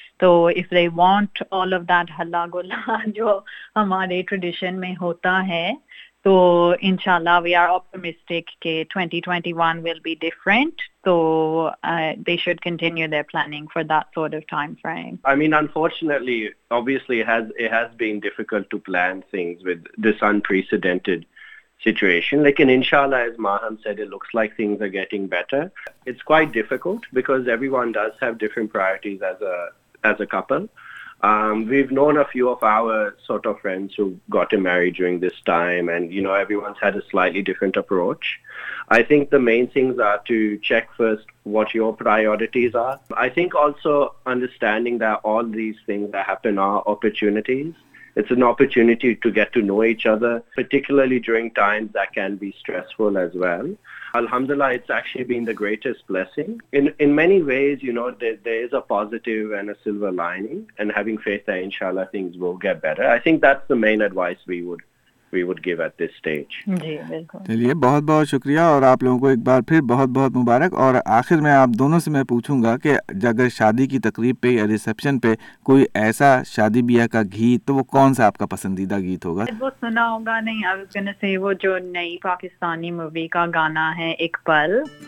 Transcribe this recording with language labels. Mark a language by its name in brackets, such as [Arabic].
[English] तो if they want all of that [Hindi] हल्ला गुल्ला जो हमारे ट्रेडिशन में होता है, [English] तो इंशाल्लाह we are optimistic के 2021 विल बी डिफरेंट. तो they should continue their planning for that sort of time frame. I mean unfortunately obviously it has been difficult to plan things with this unprecedented situation, like in inshallah, as Maham said, it looks like things are getting better. It's quite difficult because everyone does have different priorities as a couple. We've known a few of our sort of friends who got married during this time, and you know, everyone's had a slightly different approach. I think the main things are to check first what your priorities are. I think also understanding that all these things that happen are opportunities. It's an opportunity to get to know each other, particularly during times that can be stressful as well. Alhamdulillah, it's actually been the greatest blessing. In many ways, you know, there is a positive and a silver lining, and having faith that inshallah things will get better. I think that's the main advice we would give at this stage. [Hindi] चलिए बहुत बहुत शुक्रिया और आप लोगों को एक बार फिर बहुत बहुत मुबारक. और आखिर में आप दोनों से मैं पूछूंगा कि अगर शादी की तकरीब पे या रिसेप्शन पे कोई ऐसा शादी ब्याह का गीत, तो वो कौन सा आपका पसंदीदा गीत होगा? वो सुना होगा नहीं, [English] I was gonna say [Hindi] वो जो नई पाकिस्तानी मूवी का गाना है एक पल.